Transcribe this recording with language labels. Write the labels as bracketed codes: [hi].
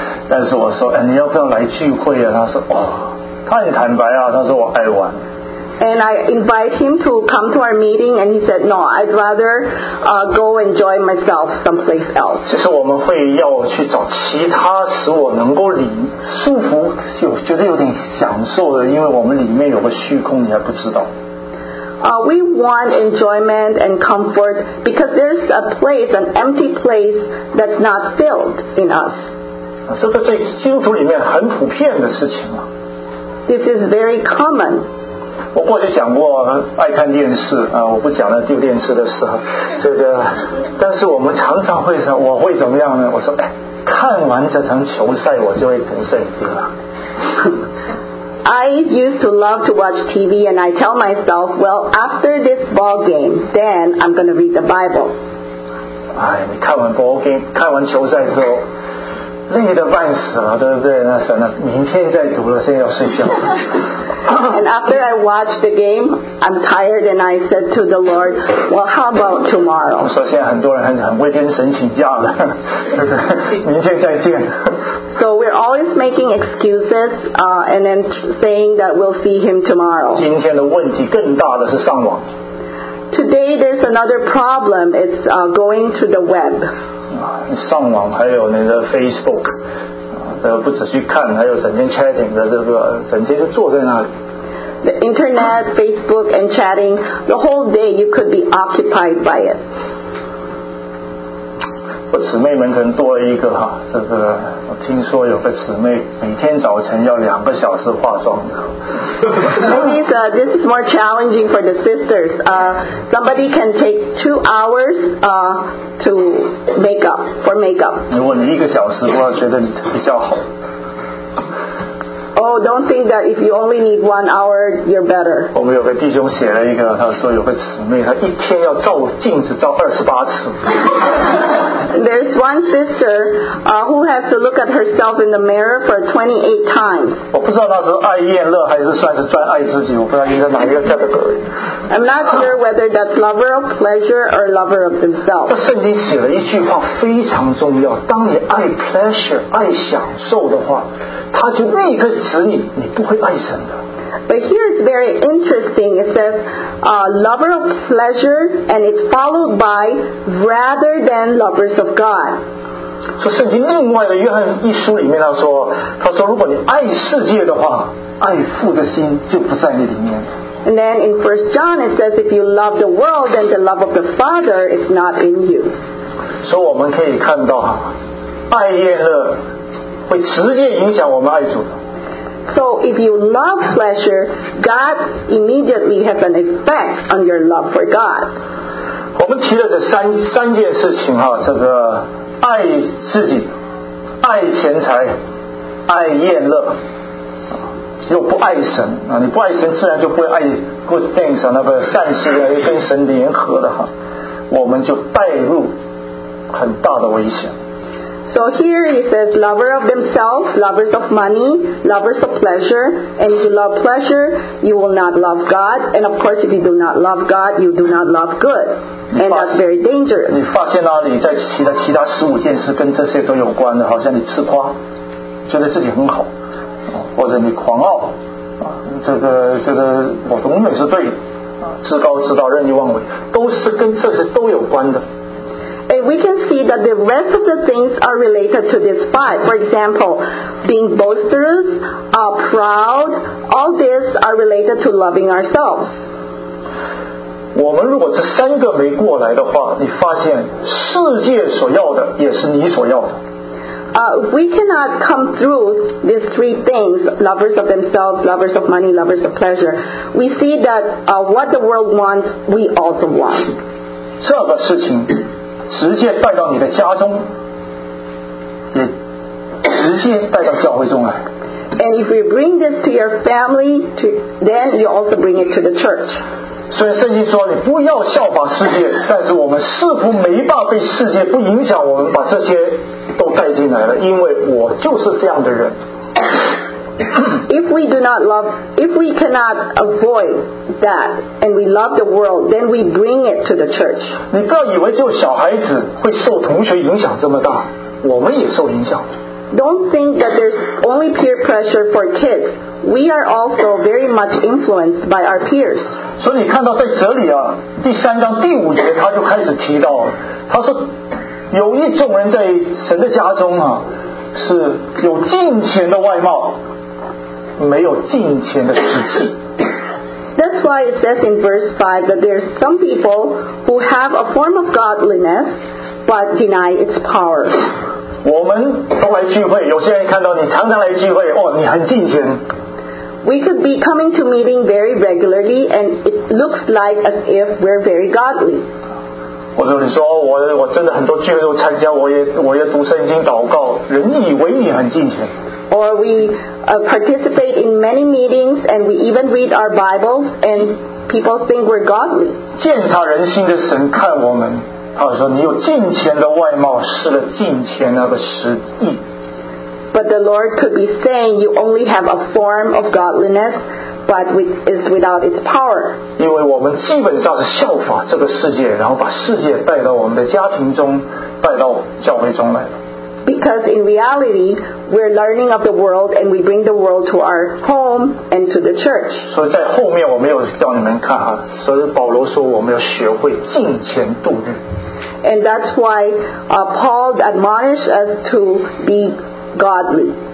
[zh] 但是我说，哎，你要不要来聚会啊？他说，哦，他很坦白啊，他说我爱玩。 [en] And I invite him to come to our meeting, and he said, no, I'd rather go enjoy myself someplace else. [zh] 其实我们会要去找其他使我能够理舒服，有觉得有点享受的，因为我们里面有个虚空，你还不知道。 [en] We want enjoyment and comfort because there's a place, an empty place that's not filled in us. [zh] 这个在基督徒里面很普遍的事情啊。 [en] This is very common. [zh] 我过去讲过爱看电视啊，我不讲了丢电视的事，这个，但是我们常常会说，我会怎么样呢？我说，哎，看完这场球赛，我就会读圣经了。 [en] I used to love to watch TV, and I tell myself, well, after this ball game, then I'm going to read the Bible. [zh] 哎，你看完 [en] ball game, [zh] 看完球赛之后，累得半死了，对不对？那算了，明天再读了，现在要睡觉。 [en] And after I watched the game, I'm tired, and I said to the Lord, "Well, how about tomorrow?" [zh] 我说现在很多人很会跟神请假了，明天再见。 [en] So we're always making excuses, and then saying that we'll see him tomorrow. [zh] 今天的问题更大的是上网。 [en] Today there's another problem. It's going to the web. [zh] 上网还有那个 Facebook。不只去看，还有整天 [en] chatting [zh] 的，这个整天就坐在那里。 [en] The internet, Facebook, and chatting, the whole day you could be occupied by it. [zh] 我姊妹们可能多了一个哈，这个我听说有个姊妹每天早晨要两个小时化妆。 [en] this is more challenging for the sisters. Somebody can take 2 hours to makeup. [zh] 如果你一个小时，我觉得你比较好。 [en] Oh, don't think that if you only need 1 hour, you're better. [zh] 我们有个弟兄写了一个，他说有个姊妹，她一天要照镜子照28次。 [en] There's one sister who has to look at herself in the mirror for 28 times. [zh] 我不知道她是爱厌乐还是算是专爱自己，我不知道应该哪一个 [en] category。 I'm not sure whether that's lover of pleasure or lover of themselves. [zh] 这圣经写了一句话非常重要，当你爱 [en] pleasure [zh] 爱享受的话，他就立刻使你，你不会爱神的。 [en] But here it's very interesting. It says, lover of pleasure, and it's followed by rather than lovers of God. So, [zh] 圣经另外的约翰一书里面他说如果你爱世界的话，爱父的心就不在你里面。 [en] And then in 1 John it says, if you love the world, then the love of the Father is not in you. So, [zh] 我们可以看到爱厌乐会直接影响我们爱主的。 [en] So if you love pleasure, God immediately has an effect on your love for God. [zh] 我们提了这三件事情哈，这个爱自己、爱钱财、爱厌乐，又不爱神啊！你不爱神，自然就不会爱 [en] good things [zh] 啊，那个善事啊，跟神联合的哈，我们就带入很大的危险。 [en] So here he says, lover of themselves, lovers of money, lovers of pleasure, and if you love pleasure, you will not love God. And of course, if you do not love God, you do not love good. And that's very dangerous. [zh] 你发现了你在其他15件事跟这些都有关的，好像你自夸，觉得自己很好，或者你狂傲，这个我永远是对的，自高自大，任意妄为，都是跟这些都有关的。 [en] A way, we can see that the rest of the things are related to this five. For example, being boisterous, proud, all these are related to loving ourselves. [zh] 我们如果这三个没过来的话，你发现世界所要的也是你所要的。 [en] We cannot come through these three things, lovers of themselves, lovers of money, lovers of pleasure. We see that what the world wants, we also want. [zh] 这个事情直接带到你的家中，直接带到教会中来。 [en] And if we bring this to your family, then you also bring it to the church. [zh] 所以圣经说你不要效法世界，但是我们似乎没办法被世界不影响，我们把这些都带进来了，因为我就是这样的人。 [en] If we do not love, if we cannot avoid that, and we love the world, then we bring it to the church. [zh] 你不要以为就小孩子会受同学影响这么大，我们也受影响。 [en] Don't think that there's only peer pressure for kids. We are also very much influenced by our peers. [zh] 所以你看到在哲理啊，第三章第五节他就开始提到，他说有一众人在神的家中啊，是有敬虔的外貌，没有敬虔的实质。 [en] That's why it says in verse 5 that there's some people who have a form of godliness but deny its power. [zh] 我们都来聚会，有些人看到你常常来聚会，哦，你很敬虔。 [en] We could be coming to meeting very regularly and it looks like as if we're very godly. [zh] 或者你说 我真的很多聚会都参加，我也读圣经祷告，人以为你很敬虔。 [en] Or we participate in many meetings and we even read our Bibles and people think we're godly. [zh] 鉴察人心的神看我们，他说你有敬虔的外貌，失了敬虔那个实意。 [en] But the Lord could be saying you only have a form of godliness but is without its power. [zh] 因为我们基本上是效法这个世界，然后把世界带到我们的家庭中，带到教会中来了。 [en] Because in reality, we're learning of the world and we bring the world to our home and to the church. [zh] 所以在后面我没有叫你们看啊，所以保罗说我们要学会敬虔度日。 [en] And that's why Paul admonished us to be godly.